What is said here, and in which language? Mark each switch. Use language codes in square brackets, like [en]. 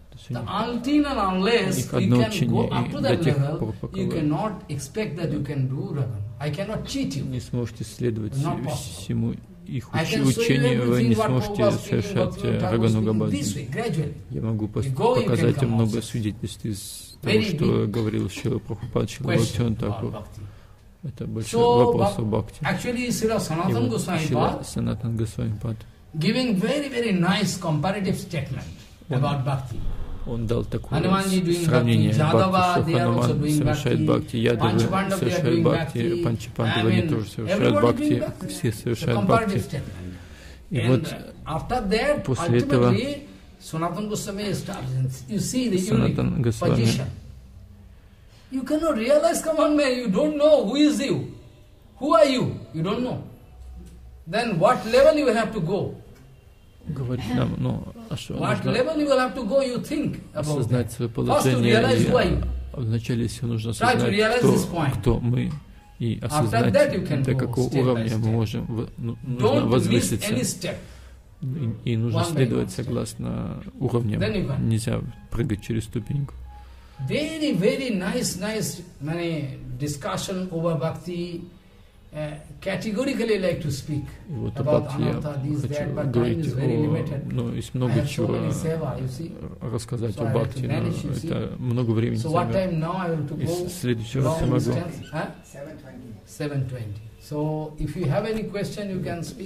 [en] Until and unless you can go up to that level, you cannot expect that you can do Raguna. I cannot cheat you. [ru] Не сможете следовать всему их учению, вы не сможете совершать Рагануга Бхаджан. Я могу показать вам много свидетельств из того, что говорил Шрила Прабхупада Шрила Бхактивинода Тхакур. Это большой вопрос о бхакти. [en] Шрила Санатан Госвамипад giving very, very nice comparative statement about bhakti. [ru] Он дал такое сравнение бхакти, что Хануман совершает бхакти, Ядавы совершают бхакти, Панчапандавы они тоже совершают бхакти, все совершают бхакти. И вот после этого [en] Санатан Госвами you cannot realize, come on man, you don't know who is you, who are you, you don't know. Then what level you have to go? [ru] Говорит нам, ну, а что? [en] What level you will have to go, you think about that. [ru] Осознать свое положение. Вначале все нужно осознать, кто мы, и осознать, до какого уровня мы можем, нужно возвыситься. И нужно следовать согласно уровням. Нельзя прыгать через ступеньку. [en] Very, very nice many discussion over bhakti. Categorically like to speak [ru] вот [en] about anatta, these, that, but time is very limited. [ru] Ну, есть много чего рассказать о бхакти, но это много времени займет. [en] So what time now I will to go? [ru] Следующий раз я могу. [en] 7:20. So if you have any question, you can speak.